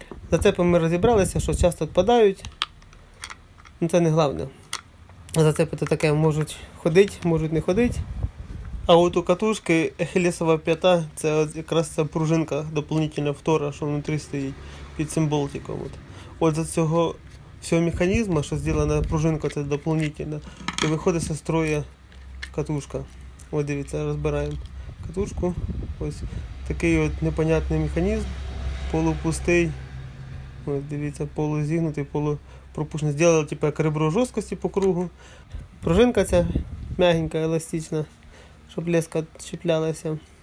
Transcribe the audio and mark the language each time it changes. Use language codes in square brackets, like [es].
[uk] Зацепи ми розібралися, що часто відпадають. Ну, це не головне. Зацепи то таке, можуть ходити, можуть не ходити. А от у катушки ехелісова п'ята, це якраз ця пружинка, доповнительна втора, що внутрі стоїть під цим болтиком. От за цього [ru] всего механизма, что сделана пружинка это дополнительно, и выходит со строя катушка. Вот, дивиться, разбираем катушку. [uk] Ось такий от непонятний механізм, полупустий, ось дивіться, полузігнутий, полупропущений. Зробили, типу, як ребро жорсткості по кругу. Пружинка ця м'ягенька, еластична, щоб леска чіплялася.